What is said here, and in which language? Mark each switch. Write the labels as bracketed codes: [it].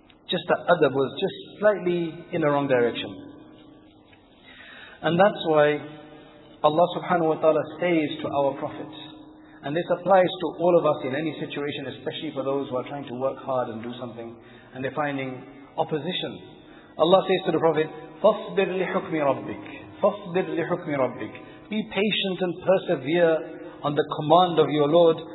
[en] Just that adab was just slightly in the wrong direction. And that's why Allah subhanahu wa ta'ala says to our prophets, and this applies to all of us in any situation, especially for those who are trying to work hard and do something and they're finding opposition. Allah says to the Prophet, [ar] فَصْبِرْ لِحُكْمِ رَبِّكَ فَصْبِرْ لِحُكْمِ رَبِّكَ. [en] Be patient and persevere on the command of your Lord.